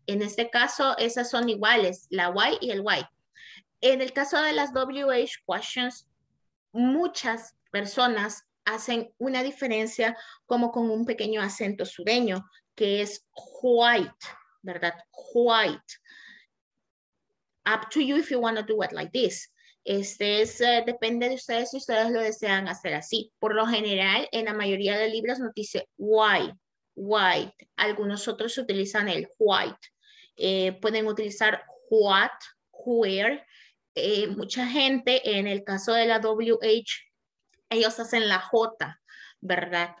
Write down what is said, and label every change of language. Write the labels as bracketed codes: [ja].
[es] En este caso, esas son iguales, la Y y el Y. En el caso de las WH questions, muchas personas hacen una diferencia como con un pequeño acento sureño, que es white, ¿verdad? White. [en] Up to you if you want to do it like this. [es] Depende de ustedes si ustedes lo desean hacer así. Por lo general, en la mayoría de libros nos dice white. Algunos otros utilizan el white. Pueden utilizar what, where. Mucha gente, en el caso de la WH, ellos hacen la J, ¿verdad?